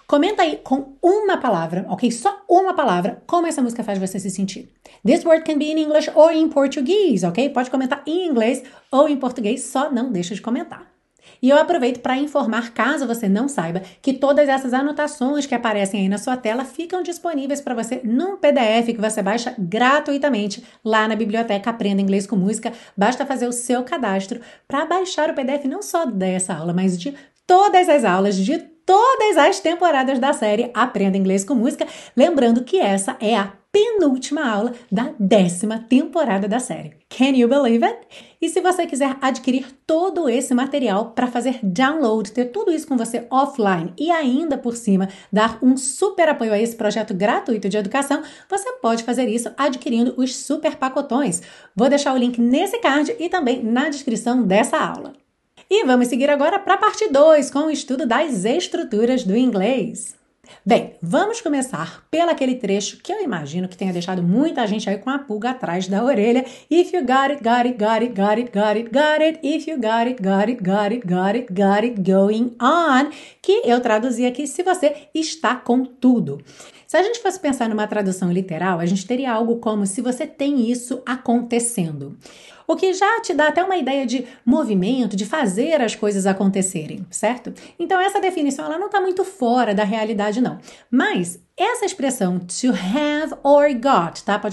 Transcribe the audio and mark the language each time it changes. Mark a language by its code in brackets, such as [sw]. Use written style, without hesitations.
[pt] Comenta aí com uma palavra, ok? Só uma palavra, como essa música faz você se sentir. [en] This word can be in English or in Portuguese, ok? [pt] Pode comentar em inglês ou em português, só não deixa de comentar. E eu aproveito para informar, caso você não saiba, que todas essas anotações que aparecem aí na sua tela ficam disponíveis para você num PDF que você baixa gratuitamente lá na biblioteca Aprenda Inglês com Música. Basta fazer o seu cadastro para baixar o PDF não só dessa aula, mas de todas as aulas, de todas as temporadas da série Aprenda Inglês com Música. Lembrando que essa é a penúltima aula da 10ª temporada da série. [en] Can you believe it? [pt] E se você quiser adquirir todo esse material para fazer download, ter tudo isso com você offline e ainda por cima dar um super apoio a esse projeto gratuito de educação, você pode fazer isso adquirindo os super pacotões. Vou deixar o link nesse card e também na descrição dessa aula. E vamos seguir agora para a parte 2 com o estudo das estruturas do inglês. Bem, vamos começar pelo aquele trecho que eu imagino que tenha deixado muita gente aí com a pulga atrás da orelha. [en] If you got it, got it, got it, got it, got it, got it. If you got it, got it, got it, got it, got it going on. [pt] Que eu traduzi aqui se você está com tudo. Se a gente fosse pensar numa tradução literal, a gente teria algo como se você tem isso acontecendo. O que já te dá até uma ideia de movimento, de fazer as coisas acontecerem, certo? Então essa definição ela não está muito fora da realidade, não. Mas essa expressão to have or got, tá?